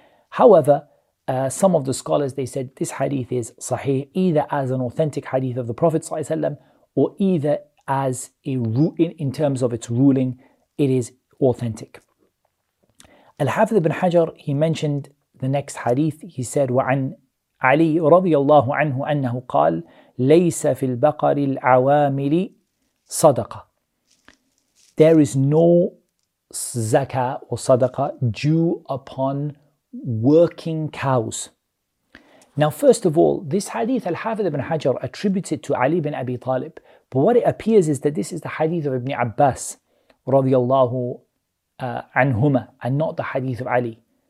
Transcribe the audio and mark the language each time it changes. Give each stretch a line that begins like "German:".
English: However, some of the scholars, they said this hadith is sahih either as an authentic hadith of the Prophet sallallahu alayhi wa sallam, or either as a in terms of its ruling, it is authentic. Al-Hafidh ibn Hajar, he mentioned the next hadith. He said, وَعَنْ
Arabic: علي رضي الله عنه أنه قال ليس في البقر العوامل صدقة.
English: There is no zakah or sadaqah due upon working cows. Now, first of all, this hadith Al-Hafiz ibn Hajar attributes it to Ali ibn Abi Talib. But what it appears is that this is the hadith of Ibn Abbas radiyallahu anhuma, and not the hadith of Ali.